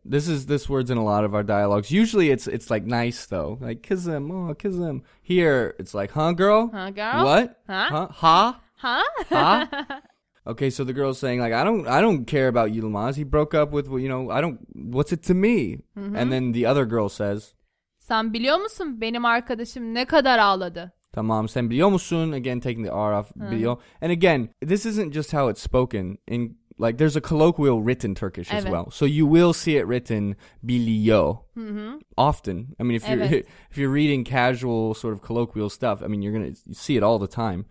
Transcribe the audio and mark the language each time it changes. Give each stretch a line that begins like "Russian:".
English: This word's in a lot of our dialogues. Usually it's like nice though. Like
Turkish: kızım, oh kızım.
English: Here it's like, huh girl? Huh girl? What? Huh? Ha? Huh? Ha? Okay, so the girl's saying like, I don't care about Yılmaz. He broke up with, you know, what's it to me? Mm-hmm. And then the other girl says,
Turkish: sen biliyor musun benim arkadaşım ne kadar ağladı? Tamam, sen biliyor musun?
English: Again, taking the R off.
Turkish: Hmm. Biliyor.
English: And again, this isn't just how it's spoken. In like, there's a colloquial written Turkish,
Turkish: evet,
English: as well. So you will see it written biliyor. Mm-hmm. Often. I mean, if you're reading casual sort of colloquial stuff, I mean, you're going to see it all the time.